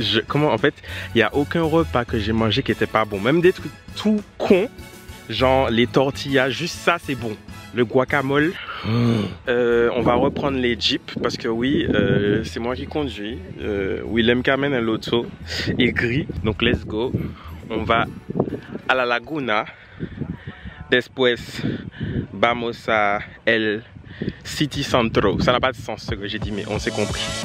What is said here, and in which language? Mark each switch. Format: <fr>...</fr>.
<fr>Comment, en fait, il n'y a aucun repas que j'ai mangé qui n'était pas bon. Même des trucs tout cons, genre les tortillas, juste ça c'est bon. le guacamole. On va reprendre les jeeps parce que oui, c'est moi qui conduis. Willem qui amène l'auto et gris. Donc</fr> <en>let's go.</en> <fr>On va à la Laguna.</fr> <es>Después vamos a el City Centro.</es> <fr>Ça n'a pas de sens ce que j'ai dit, mais on s'est compris.</fr>